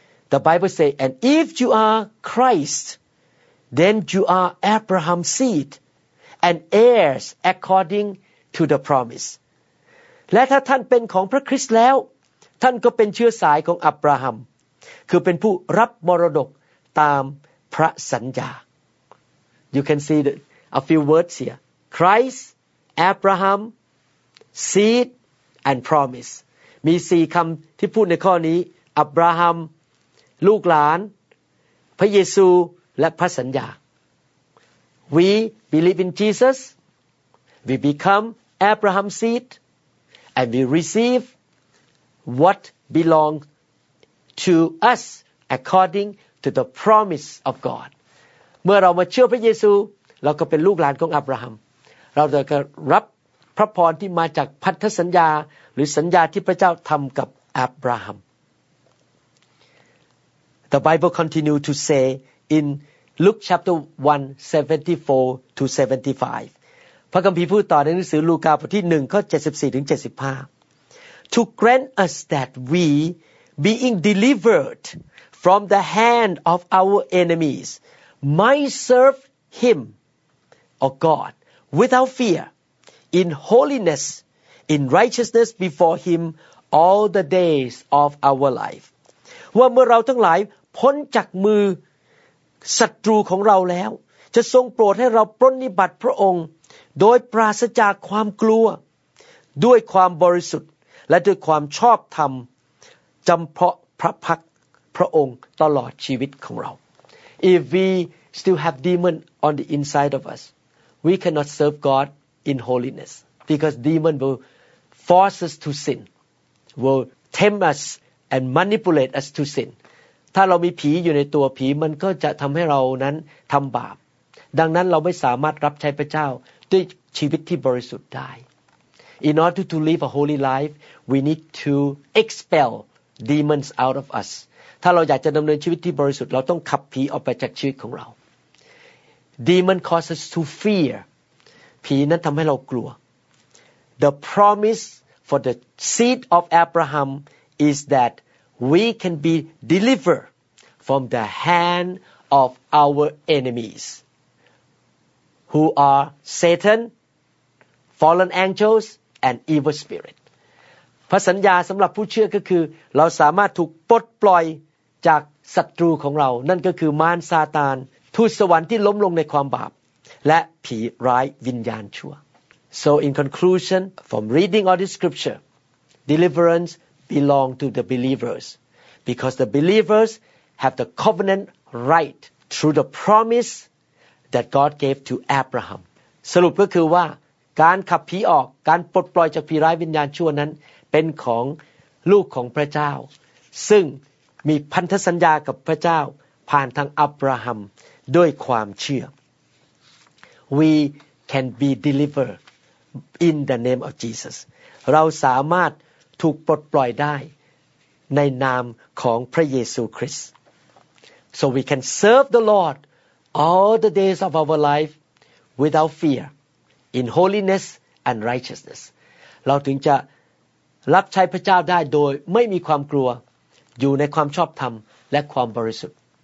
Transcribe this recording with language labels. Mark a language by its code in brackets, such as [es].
[en] The Bible say and if you are Christ then you are Abraham's seed and heirs according to the promise [th] และถ้าท่านเป็นของพระคริสต์แล้วท่านก็เป็นเชื้อสายของอับราฮัมคือเป็นผู้รับมรดกตามพระสัญญา [en] You can see a few words here Christ Abraham seed and promise [th] มี4คำที่พูดในข้อนี้อับราฮัมลูกหลานพระเยซูและพระสัญญา [en] We believe in Jesus we become Abraham's seedAnd we receive what belongs to us according to the promise of God. [th] เมื่อเรามาเชื่อพระเยซูเราก็เป็นลูกหลานของอับราฮัมเราจะรับพระพรที่มาจากพันธสัญญาหรือสัญญาที่พระเจ้าทำกับอับราฮัม [en] The Bible continues to say in Luke chapter 1:74-75. [th] พระคัมภีร์พูดต่อในหนังสือลูกาบทที่1ข้อ74ถึง75 [en] To grant us that we being delivered from the hand of our enemies might serve him or God without fear in holiness in righteousness before him all the days of our life [th] ว่าเมื่อเราทั้งหลายพ้นจากมือศัตรูของเราแล้วจะทรงโปรดให้เราปรนนิบัติพระองค์โดยปราศจากความกลัวด้วยความบริสุทธิ์และด้วยความชอบธรรมจำเพาะพระพักพระองค์ตลอดชีวิตของเรา [en] If we still have demon on the inside of us we cannot serve God in holiness because demon will force us to sin will tempt us and manipulate us to sin [th] ถ้าเรามีผีอยู่ในตัวผีมันก็จะทำให้เรานั้นทำบาปดังนั้นเราไม่สามารถรับใช้พระเจ้าด้วยชีวิตที่บริสุทธิ์ได้ [en] In order to live a holy life we need to expel demons out of us [th] ถ้าเราอยากจะดำเนินชีวิตที่บริสุทธิ์เราต้องขับผีออกไปจากชีวิตของเรา [en] Demon causes to fear [th] ผีนั้นทำให้เรากลัว [en] The promise for the seed of Abraham is that we can be delivered from the hand of our enemiesWho are Satan, fallen angels, and evil spirit? [th] พระสัญญาสำหรับผู้เชื่อก็คือเราสามารถถูกปลดปล่อยจากศัตรูของเรานั่นก็คือมารซาตานทูตสวรรค์ที่ล้มลงในความบาปและผีร้ายวิญญาณชั่ว [en] So in conclusion, from reading all this scripture, deliverance belong to the believers because the believers have the covenant right through the promise.That God gave to Abraham. [th] สรุปก็คือว่า การขับผีออกการปลดปล่อยจากผีร้ายวิญญาณชั่วนั้นเป็นของลูกของพระเจ้าซึ่งมีพันธสัญญากับพระเจ้าผ่านทางอับราฮัมด้วยความเชื่อ [en] We can be delivered in the name of Jesus [th] เราสามารถถูกปลดปล่อยได้ในนามของพระเยซูคริสต์ [en] So we can serve the Lord all the days of our life without fear in holiness and righteousness [th] เราถึงจะรับใช้พระเจ้าได้โดยไม่มีความกลัวอยู่ในความชอบธรรมและความบริสุทธิ์